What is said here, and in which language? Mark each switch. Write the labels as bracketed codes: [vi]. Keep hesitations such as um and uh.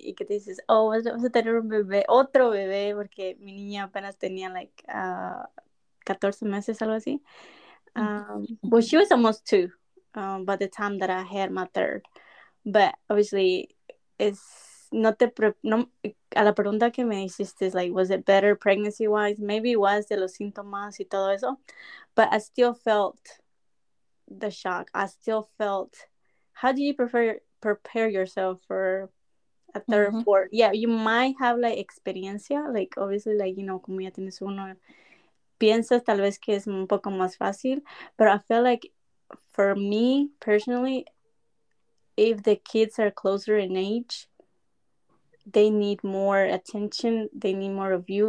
[es] Y que te dices, oh, vamos a tener un bebé, otro bebé, porque mi niña apenas tenía, like, uh, 14 meses, algo así. Um, mm -hmm. [en] well, she was almost two, um, by the time that I had my third. But obviously, it's not the pre- no, [es] a la pregunta que me hiciste [en] like, was it better pregnancy wise? Maybe it was [es] de los síntomas y todo eso. [en] But I still felt the shock. I still felt, how do you prefer, prepare yourself for a 3rd For mm -hmm. Yeah, you might have like experiencia, like obviously, like, you know, [es] como ya tienes uno. Piensas tal vez que es un poco más fácil, pero [en] I feel like for me personally, if the kids are closer in age, they need more attention, they need more of you.